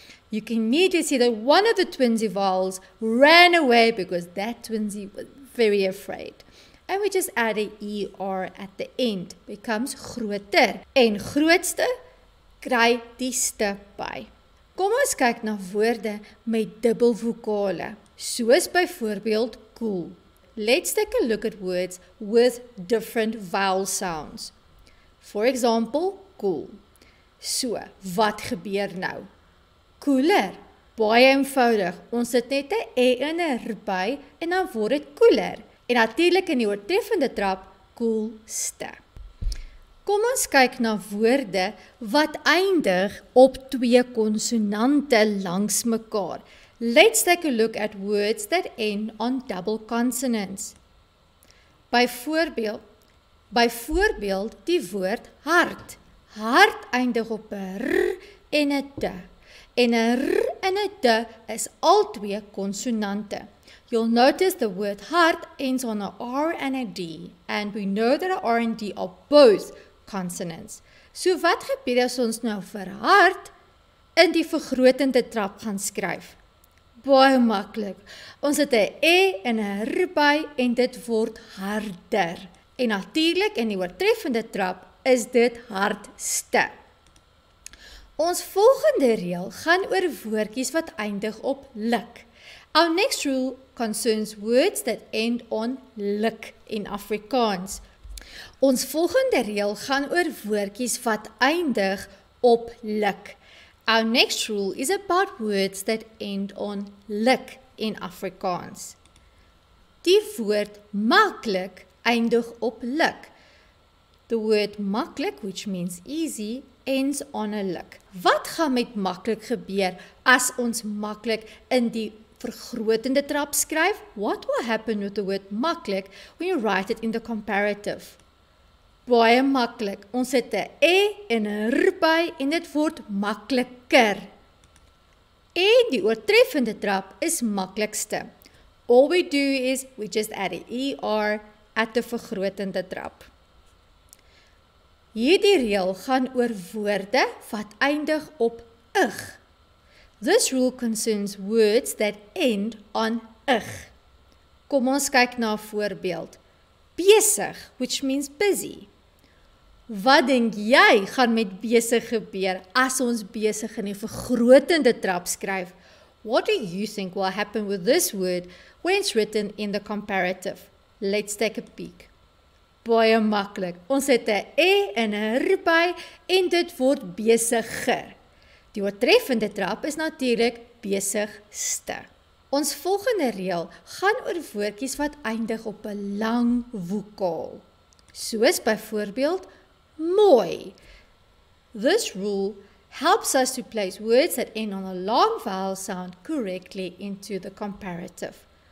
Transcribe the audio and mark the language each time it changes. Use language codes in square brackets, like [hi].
[en] You can immediately see that one of the twinsy vowels ran away because that twinsy was very afraid. And we just add a er at the end, becomes groter. [af] En grootste kry die ste by. Kom ons kyk na woorde met dubbelvokale, soos byvoorbeeld cool. [en] Let's take a look at words with different vowel sounds. For example, cool. So, [af] wat gebeur nou? [en] Cooler. [af] Baie eenvoudig. Ons sit net 'n e en 'n r by en dan word dit cooler. En natuurlik in die oortreffende trap, coolste. Kom ons kyk na woorde wat eindig op twee konsonante langs mekaar. [en] Let's take a look at words that end on double consonants. [af] Byvoorbeeld die woord hart. Hart eindig op 'n r en 'n t. En 'n r en 'n t is al twee konsonante. [en] You'll notice the word heart ends on a R and a D, and we know that a R and D are both consonants. [af] So wat gebeur as ons nou vir hart in die vergrotende trap gaan skryf? Baie maklik. Ons het 'n E en 'n R by en dit word harder. En natuurlik in die oortreffende trap is dit hardste. Ons volgende reël gaan oor woordjies wat eindig op luk. [en] Our next rule concerns words that end on luk in Afrikaans. [af] Ons volgende reël gaan oor woordjies wat eindig op luk. [en] Our next rule is about words that end on luk in Afrikaans. [af] Die woord maklik eindig op luk. [en] The word maklik, which means easy, ends on a luk. [af] Wat gaan met maklik gebeur as ons maklik in die vergrotende trap skryf? [en] What will happen with the word maklik when you write it in the comparative? [af] Baie maklik. Ons het 'n e en 'n r by en dit word makliker. En die oortreffende trap is maklikste. [en] All we do is we just add a er at the vergrotende trap. [af] Hierdie reël gaan oor woorde wat eindig op ig. [en] This rule concerns words that end on ig. [af] Kom ons kyk na 'n voorbeeld. Besig, [en] which means busy. [af] Wat dink jy gaan met besig gebeur as ons besig in die vergrotende trap skryf? [en] What do you think will happen with this word when it's written in the comparative? Let's take a peek. [af] Baie maklik. Ons het 'n e en 'n r by en dit word besiger. Die oortreffende trap is natuurlik besigste. Ons volgende reël gaan oor woordjies wat eindig op 'n lang vokaal. Soos byvoorbeeld mooi. [en] This rule helps us to place words that end on a long vowel sound correctly into the comparative.